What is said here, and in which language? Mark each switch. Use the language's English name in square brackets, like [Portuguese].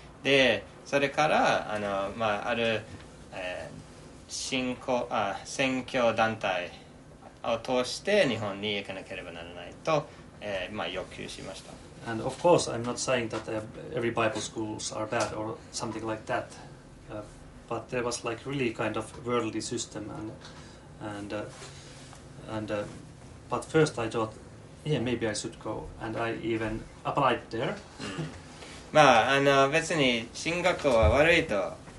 [Japanese] で、まあ当時の教会、まあ宗派の条件は宣教師になるためにまずは少なくとも3年間勉強しなければならない。で、それからあのまあある選挙団体を通して日本に行かなければならないと、まあ要求しました。 [English] And of course, I'm not saying that every Bible schools are bad or something like that. But there was like really kind of worldly system but first I thought, yeah, maybe I should go. And I even applied there. [Japanese] まあ、あの、別に進学校は悪いと。